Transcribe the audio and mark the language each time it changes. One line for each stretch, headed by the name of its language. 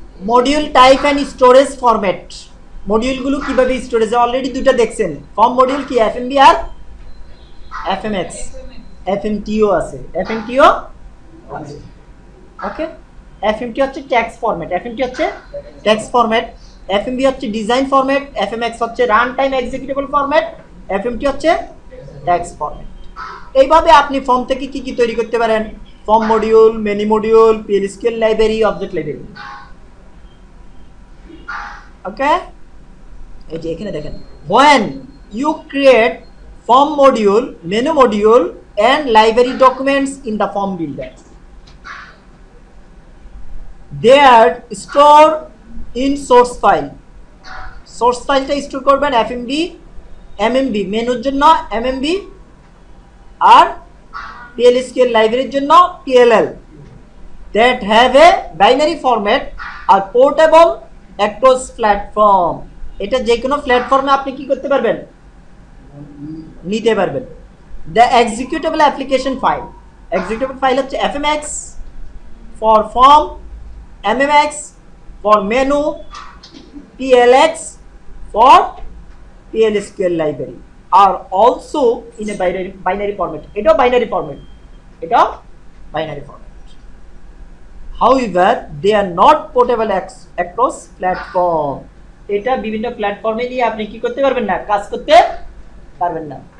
Bangla: Module type and storage format, মডিউলগুলো কিভাবে storage, already দুটো দেখছেন ফর্ম মডিউল কি FMB আর FMX, FMTO আছে, FMTO ওকে, FMTO হচ্ছে টেক্সট ফরম্যাট, FMT হচ্ছে টেক্সট ফরম্যাট, FMB হচ্ছে ডিজাইন ফরম্যাট, FMX হচ্ছে run time executable format, FMT হচ্ছে টেক্সট ফরম্যাট। এইভাবে আপনি ফর্ম থেকে কি কি তৈরি করতে পারেন, form module, many module, PL scale library, object library. ওকে, এই যে এখানে দেখেন
English: when you create form module, menu module and library documents in the form builder, they are stored in source file, source file
Bangla: টা store করবেন FMB, MMB মেনুর জন্য MMB আর PL scale library জন্য PLL,
English: that have a binary format are portable across platform,
Bangla: এটা যে কোনো প্ল্যাটফর্মে আপনি কি করতে পারবেন নিতে পারবেন।
English: the executable application file,
Bangla: executable file হচ্ছে FMX for form, MMX for menu, PLX for PL scale library are
English: also in a binary format,
Bangla: এটাও বাইনারি ফরম্যাট, এটাও binary format,
English: however they are not portable across platform,
Bangla: এটা বিভিন্ন প্ল্যাটফর্মে নিয়ে আপনি কি করতে পারবেন না, কাজ করতে পারবেন না,